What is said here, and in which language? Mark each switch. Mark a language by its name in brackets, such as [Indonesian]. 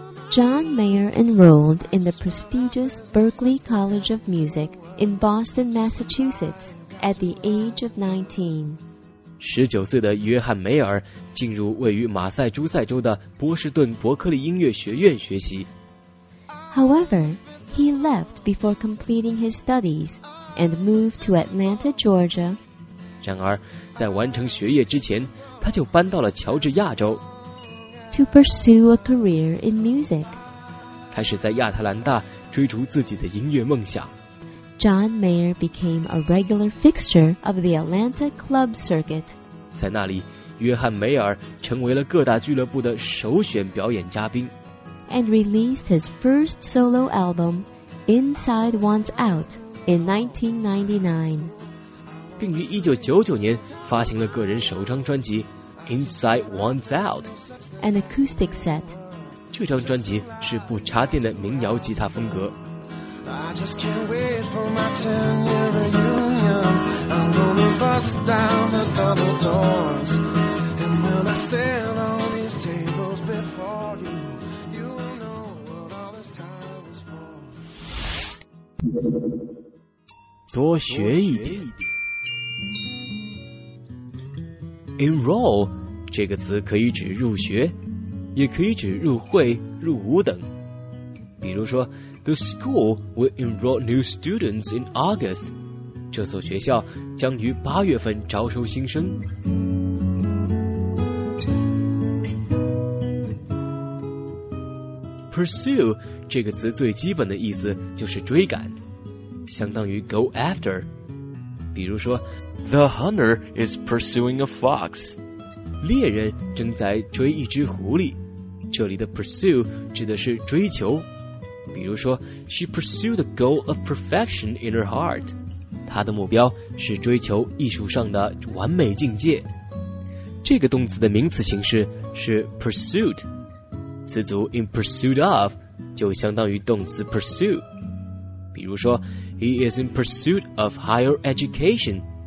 [English] John Mayer enrolled in the prestigious Berklee College of Music in Boston, Massachusetts at the age of 19. [Chinese] 19岁的约翰梅尔进入位于马赛诸塞州的波士顿伯克利音乐学院学习。 [English] However, he left before completing his studies and moved to Atlanta, Georgia. [Chinese] 然而在完成学业之前，他就搬到了乔治亚州 [English] to pursue a career in music. [Chinese] 开始在亚特兰大追逐自己的音乐梦想。 [English] John Mayer became a regular fixture of the Atlanta club circuit. [Chinese] 在那里，约翰梅尔成为了各大俱乐部的首选表演嘉宾。 [English] And released his first solo album, Inside Wants Out, in 1999. [Chinese] 并于1999年发行了个人首张专辑 Inside Wants Out, [English] an acoustic set. [Chinese] 这张专辑是不插电的民谣吉他风格。 [English] I just can't wait for my 10-year reunion. I'm gonna bust down the double doors. And when I stand on these tables before you, you will know what all this time is for. [Chinese] 多学一点。 Enroll 这个词可以指入学，也可以指入会、入伍等。比如说 [English] The school will enroll new students in August. [Chinese] 这所学校将于八月份招收新生。 Pursue 这个词最基本的意思就是追赶，相当于 [English] go after。 [Chinese] 比如说 [English] ，The hunter is pursuing a fox. [Chinese] 猎人正在追一只狐狸。这里的 pursue 指的是追求。比如说 [English] She pursued the goal of perfection in her heart. [Chinese] 她的目标是追求艺术上的完美境界。这个动词的名词形式是 pursued. 词组 [English] in pursuit of [Chinese] 就相当于动词 pursue. 比如说 [English] He is in pursuit of higher education.